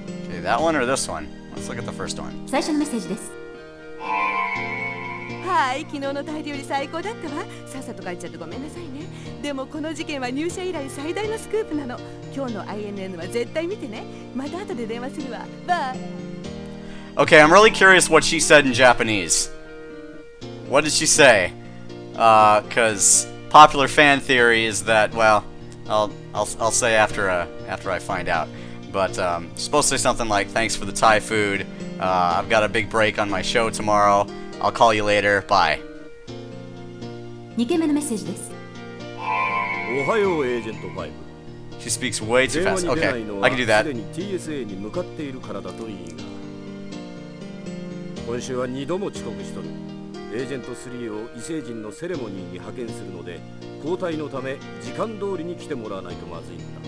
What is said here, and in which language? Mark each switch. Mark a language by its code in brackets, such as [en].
[en] Okay, that one or this one? Let's look at the first one. [ja] 最初のメッセージです。はい、昨日の大料理最高だったわ。さっさと帰っちゃってごめんなさいね。でもこの事件は入社以来最大のスクープなの。今日の INN は絶対見てね。また後で電話するわ。バイ。 [en] Okay, I'm really curious what she said in Japanese. What did she say? Popular fan theory is that, well, I'll say after I find out, but supposed to say something like, thanks for the Thai food, I've got a big break on my show tomorrow, I'll call you later, bye. [ja] 2件目のメッセージです。おはよう、エージェント5。 [en] She speaks way too fast. Okay, I can do that. [ja] 既に TSA に向かっているからだといいが。今週は2度も遅刻しとる。エージェント3を異星人のセレモニーに派遣するので、交代のため時間通りに来てもらわないとまずいんだ。